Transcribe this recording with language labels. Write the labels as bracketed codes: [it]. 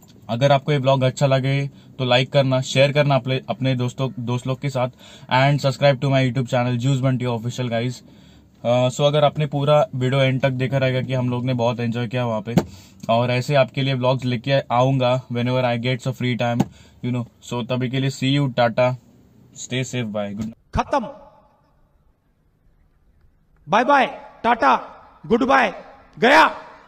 [hi] अगर आपको ये vlog अच्छा लगे तो like करना, share करना अपने दोस्त लोग के साथ [en] and subscribe to my YouTube channel Juice Bunty Official guys। [hi] So अगर आपने पूरा video end तक देखा रहेगा कि हम लोग ने बहुत enjoy किया वहाँ पे, और ऐसे आपके लिए vlogs लेके आऊँगा [en] whenever I get a free time, you know। So तभी के लिए see you, tata, stay safe, bye, good night. खत्म, bye bye, tata, good bye, गया।